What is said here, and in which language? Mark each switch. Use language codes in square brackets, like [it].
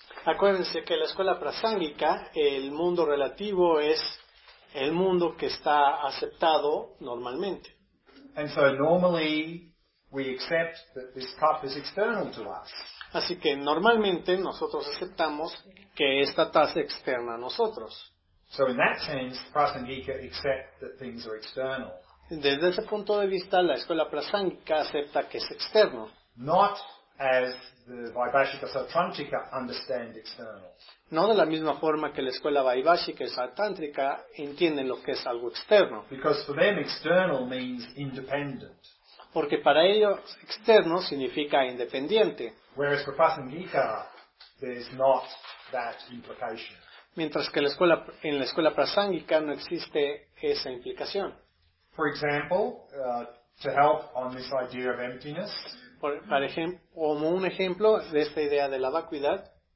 [es] Acuérdense que la escuela prasángica, el mundo relativo es el mundo que está aceptado normalmente. [en] And so normally we accept that this cup is external to us. [es] Así que normalmente nosotros aceptamos que esta taza externa a nosotros. [en] So in that sense, prasángica accept that things are external. [es] Desde ese punto de vista, la escuela prasángica acepta que es externo. [en] Not as the Vaibhashika Satantrika understand external. [es] No de la misma forma que la escuela Vaibhashika Satantrika entienden lo que es algo externo. [en] Because for them external means independent. [es] Porque para ellos externo significa independiente. [en] Whereas for Prasangika, there's not that implication. [es] Mientras que en la escuela prasángica no existe esa implicación. [en] For example, to help on this idea of emptiness. [es] Como un ejemplo de esta idea de la vacuidad.